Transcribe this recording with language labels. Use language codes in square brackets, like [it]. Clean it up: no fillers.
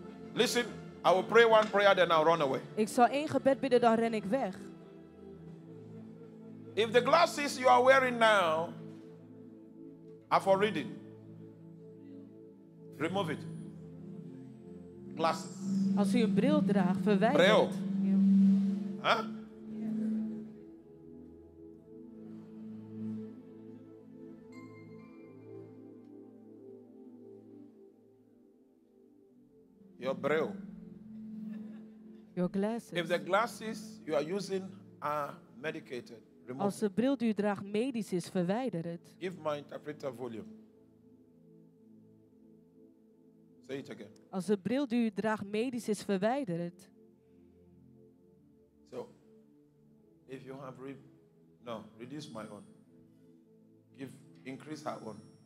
[en] Listen, I will pray one prayer, then I'll run away. [nl] Ik zal één gebed bidden, dan ren ik weg. [en] If the glasses you are wearing now are for reading, remove it. Glasses. [nl] Als u een bril draagt, verwijder het. Bril. [en] Your bril. Your glasses. If the glasses you are using are medicated, remove. [nl] Als de bril die u draagt medisch is, verwijder het. [en] Give my interpreter volume. Say it again. [nl] Als de bril die u draagt medisch is, verwijder het. [en] So, if you have reduce my own. Increase her own.